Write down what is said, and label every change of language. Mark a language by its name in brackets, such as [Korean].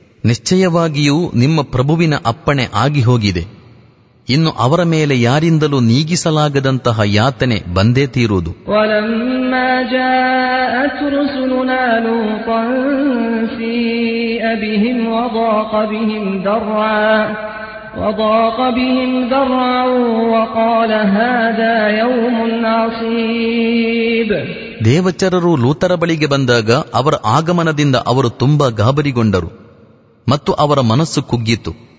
[Kannada] ನಿಶ್ಚಯವಾಗಿಯೂ ನಿಮ್ಮ ಪ್ರಭುವಿನ ಅಪ್ಪಣೆ ಆಗಿ ಹೋಗಿದೆ. ಇನ್ನು ಅವರ ಮೇಲೆ ಯಾರಿಂದಲೂ ನೀಗಿಸಲಾಗದಂತಹ ಯಾತನೆ ಬಂದೇ ತೀರುವುದು. [Arabic] وضاق بهم درعا وقال هذا يوم عصيب. [Kannada] ದೇವಚರರು ಲೂತರ ಬಳಿಗೆ ಬಂದಾಗ ಅವರ ಆಗಮನದಿಂದ ಅವರು ತುಂಬಾ ಗಾಬರಿಗೊಂಡರು ಮತ್ತು ಅವರ ಮನಸ್ಸು ಕುಗ್ಗಿತು.